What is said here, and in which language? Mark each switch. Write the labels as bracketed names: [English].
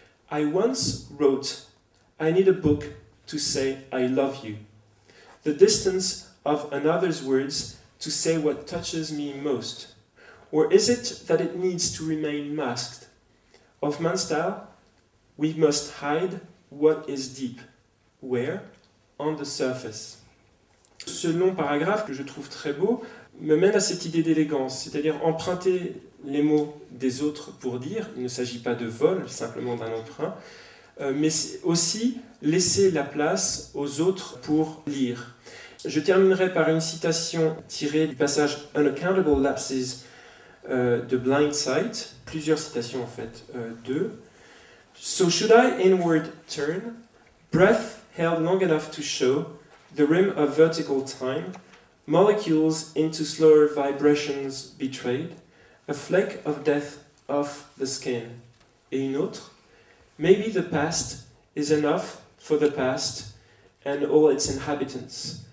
[English] I once wrote, I need a book to say I love you. The distance of another's words to say what touches me most. Or is it that it needs to remain masked? Hoffman style, we must hide what is deep. Where? On the surface. [French] Ce long paragraphe, que je trouve très beau, me mène à cette idée d'élégance, c'est-à-dire emprunter les mots des autres pour dire, il ne s'agit pas de vol, simplement d'un emprunt, mais aussi laisser la place aux autres pour lire. Je terminerai par une citation tirée du passage « Unaccountable Lapses » de Blindsight, plusieurs citations en fait, d'eux. [English] « So should I inward turn, breath held long enough to show the rim of vertical time, molecules into slower vibrations betrayed, a fleck of death off the skin. » [French] Et une autre, [English] « Maybe the past is enough for the past and all its inhabitants.